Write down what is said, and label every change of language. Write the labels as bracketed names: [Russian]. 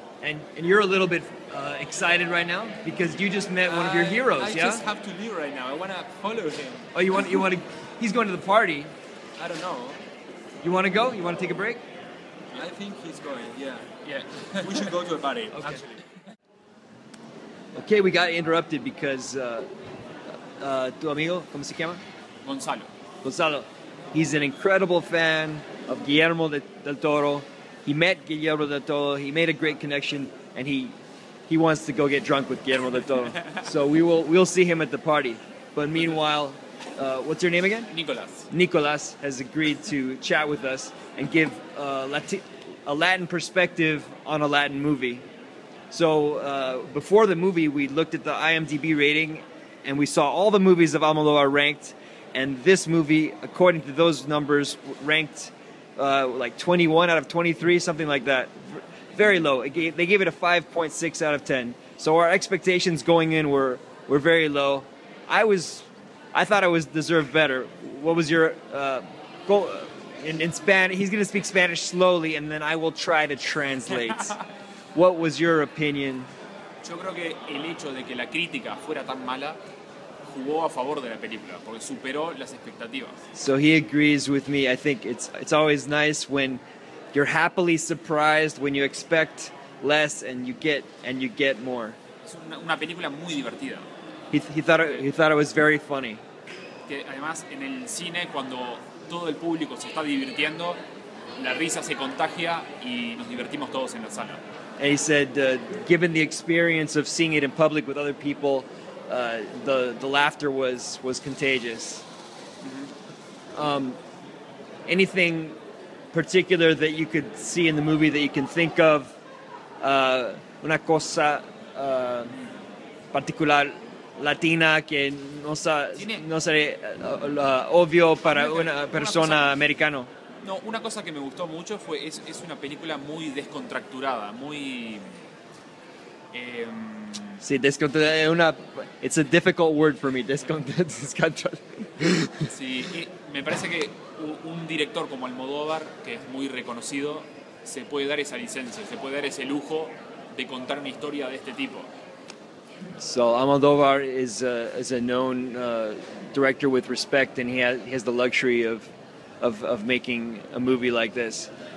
[English] And you're a little bit excited right now because you just met one of your heroes. I just have to leave right now. I want to follow him. Oh, you want to? He's going to the party. I don't know. You want to go? You want to take a break? I think he's going, yeah. Yeah. We should go to a party, okay. Actually. Okay, we got interrupted because [Spanish] tu amigo, ¿cómo se llama? [English] Gonzalo. Gonzalo. He's an incredible fan of Guillermo del Toro. He met Guillermo del Toro. He made a great connection, and he wants to go get drunk with Guillermo del Toro. So we'll see him at the party. But meanwhile, what's your name again? Nicolas. Nicolas has agreed to chat with us and give a Latin perspective on a Latin movie. So before the movie, we looked at the IMDb rating, and we saw all the movies of Almodóvar ranked. And this movie, according to those numbers, ranked like 21 out of 23, something like that. Very low. They gave it a 5.6 out of 10. So our expectations going in were very low. I thought I was deserved better. What was your goal? In Spanish, he's going to speak Spanish slowly, and then I will try to translate. What was your opinion? [Spanish] Yo creo que el hecho de que la crítica fuera tan mala jugó a favor de la película, porque superó las expectativas. [English] So he agrees with me. I think it's always nice when you're happily surprised when you expect less and you get more. [Spanish] Es una película muy divertida. [English] He thought it was very funny. [Spanish] Que además en el cine cuando todo el público se está divirtiendo, la risa se contagia y nos divertimos todos en la sala. [English] And he said, given the experience of seeing it in public with other people, the laughter was contagious. Mm-hmm. Anything particular that you could see in the movie that you can think of? [Spanish] Una cosa particular. Latina que no sería obvio para una persona americana. No, una cosa que me gustó mucho fue es una película muy descontracturada, muy sí, descontracturada. [English] Una, it's a difficult word for me, descontracturada. [Spanish] Sí, me parece que un director como Almodóvar, que es muy reconocido, se puede dar esa licencia, se puede dar ese lujo de contar una historia de este tipo. [English] So Almodóvar is a known director with respect, and he has the luxury of making a movie like this.